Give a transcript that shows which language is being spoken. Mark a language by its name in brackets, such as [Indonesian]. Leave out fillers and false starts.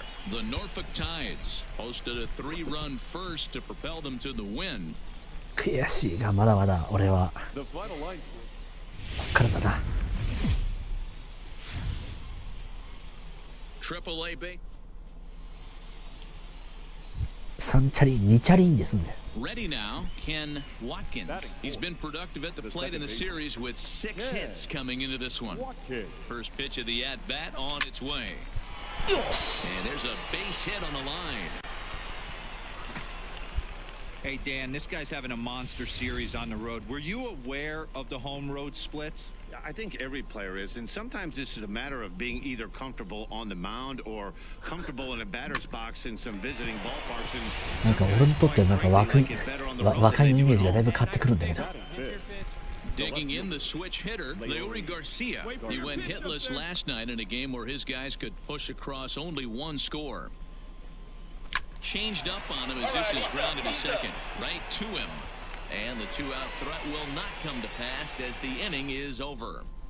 [English] The Norfolk Tides posted a three-run first to propel them to the win. [Japanese] 悔しいがまだまだ俺はこっからだな。 [English] Triple A B. [Japanese] 三チャリ二チャリンですね。 [English] Ready now, Ken Watkins. He's been productive at the plate in the series with six hits coming into this one. First pitch of the at bat on its way. And there's a base hit on the line. Hey, Dan, this guy's having a monster series on the road. Were you aware of the home road splits? I think every player is. And sometimes this is a matter of being either comfortable on the mound or comfortable in a batter's box in some visiting ballparks. And [Japanese] なんか俺にとってなんか若いイメージがだいぶ変わってくるんだけど。 [English] Digging in the switch hitter, Leury Garcia. He went hitless last night in a game where his guys could push across only one score. Changed up on him as this is grounded to second, right to him. And the two-out threat will not come to pass as the inning is over.